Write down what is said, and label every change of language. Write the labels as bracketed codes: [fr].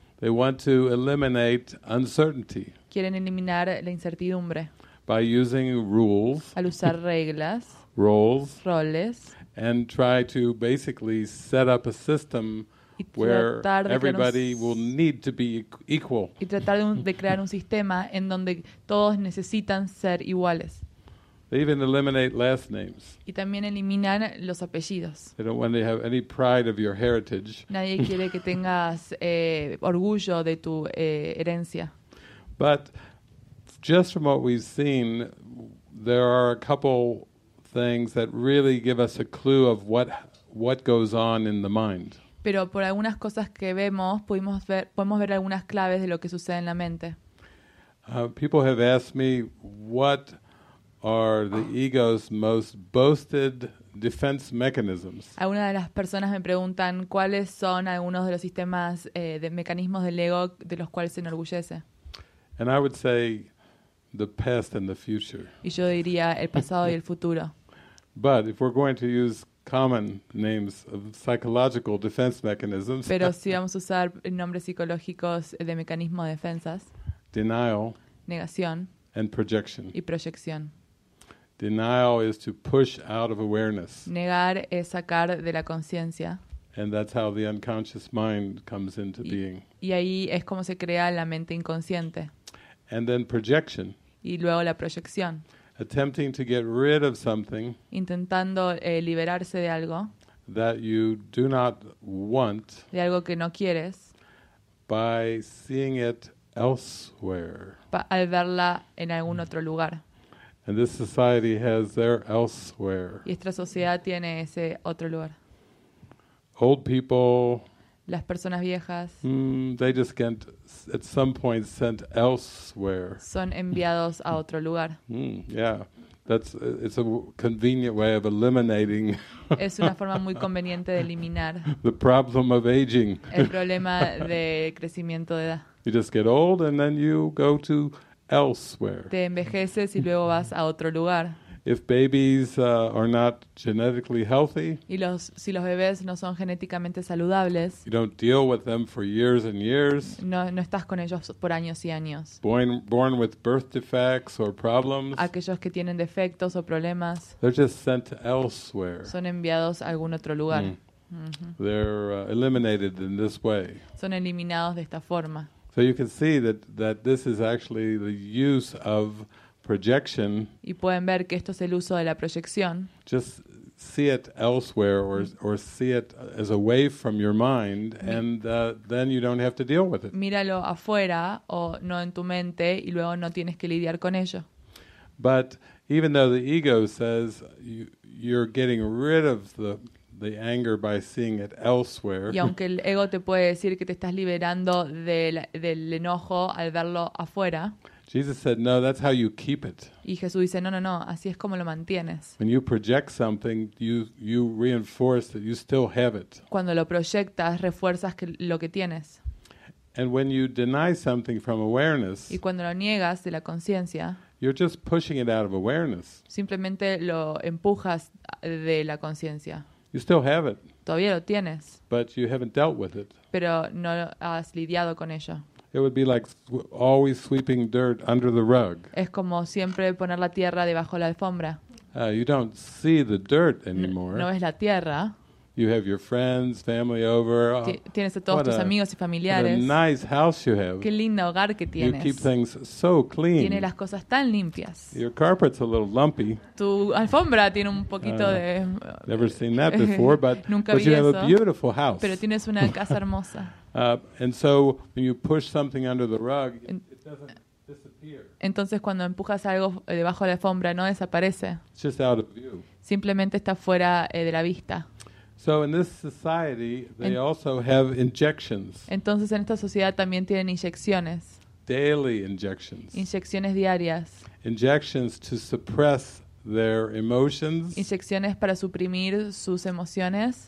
[en] They want to eliminate uncertainty. [es] Quieren eliminar la incertidumbre. [en] By using rules. [es] Al usar reglas. [en] Roles. [es] Roles. [en] And try to basically set up a system where everybody will need to be equal. [es] Y tratar de crear un sistema en donde todos necesitan ser iguales. [en] They even eliminate last names. [es] Y también eliminan los apellidos. [en] They don't want to have any pride of your heritage. [es] Nadie quiere que tengas orgullo de tu herencia. [en] But just from what we've seen, there are a couple things that really give us a clue of what goes on in the mind. [es] Pero por algunas cosas que vemos, podemos ver algunas claves de lo que sucede en la mente. [en] People have asked me, what are the ego's most boasted defense mechanisms? [es] Algunas de las personas me preguntan, ¿cuáles son algunos de los sistemas de mecanismos del ego de los cuales se enorgullece? [en] And I would say, the past and the future. [es] Y yo diría, el pasado y el futuro. [en] But if we're going to use common names of psychological defense mechanisms. [es] Pero si vamos a usar nombres psicológicos de mecanismos de defensas. [en] Denial. [es] Negación. [en] And projection. [es] Y proyección. [en] Denial is to push out of awareness. [es] Negar es sacar de la conciencia. [en] And that's how the unconscious mind comes into being. [es] Y ahí es como se crea la mente inconsciente. [en] And then projection. [es] Y luego la proyección. [en] Attempting to get rid of something. [es] Intentando liberarse de algo. [en] That you do not want. [es] De algo que no quieres. [en] By seeing it elsewhere. [es] Al verla en algún otro lugar. [en] And this society has their elsewhere. [es] Y esta sociedad tiene ese otro lugar. [en] Old people. [es] Las personas viejas. [en] They just get at some point sent elsewhere. [es] Son enviados a otro lugar. [en] Yeah, it's a convenient way of eliminating. [es] Es una forma muy conveniente de eliminar. [en] The problem of aging. [es] El problema de crecimiento de edad. [en] You just get old and then you go to elsewhere. [es] Te envejeces y luego vas a otro lugar. [en] If babies are not genetically healthy, [es] y los, si los bebés no son genéticamente saludables, [en] you don't deal with them for years and years. [es] No estás con ellos por años y años. [en] Born with birth defects or problems. [es] Aquellos que tienen defectos o problemas. [en] They're just sent elsewhere. [es] Son enviados a algún otro lugar. Mm. [en] Mm-hmm. They're eliminated in this way. [es] Son eliminados de esta forma. [en] So you can see that this is actually the use of projection. [es] Y pueden ver que esto es el uso de la proyección. [en] Just see it elsewhere or see it as away from your mind and then you don't have to deal with it. [es] Míralo afuera o no en tu mente y luego no tienes que lidiar con ello. [en] But even though the ego says you're getting rid of the anger by seeing it elsewhere. [es] Y aunque el ego te puede decir que te estás liberando del enojo al verlo afuera. [en] Jesus said, no, that's how you keep it. [es] Y Jesús dice, no, así es como lo mantienes. [en] When you project something, you reinforce that you still have it. [es] Cuando lo proyectas, refuerzas lo que tienes. [en] And when you deny something from awareness, [es] y cuando lo niegas de la conciencia, [en] you're just pushing it out of awareness. [es] Simplemente lo empujas de la conciencia. [en] You still have it. [es] Todavía lo tienes. [en] But you haven't dealt with it. [es] Pero no has lidiado con ello. [en] It would be like always sweeping dirt under the rug. [es] Es como siempre poner la tierra debajo la alfombra. [en] You don't see the dirt anymore. [es] No es la tierra. [en] You have your friends, family over. [es] Tienes a todos tus amigos y familiares. [en] What a nice house you have. [es] Qué lindo hogar que tienes. [en] You keep things so clean. [es] Tienes las cosas tan limpias. [en] Your carpet's a little lumpy. [es] Tu alfombra tiene un poquito de. [en] Never seen that before, but [es] nunca [en] but [es] vi [en] you [es] eso. [en] Have a beautiful house. [es] Pero tienes una casa hermosa. [en] And so when you push something under the rug, it doesn't disappear. [es] Entonces cuando empujas algo debajo de la alfombra no desaparece. [en] It's just out of view. [es] Simplemente está fuera de la vista. [en] So in this society they also have injections. [es] Entonces en esta sociedad también tienen inyecciones. [en] Daily injections. [es] Inyecciones diarias. [en] Injections to suppress their emotions. [es] Inyecciones para suprimir sus emociones.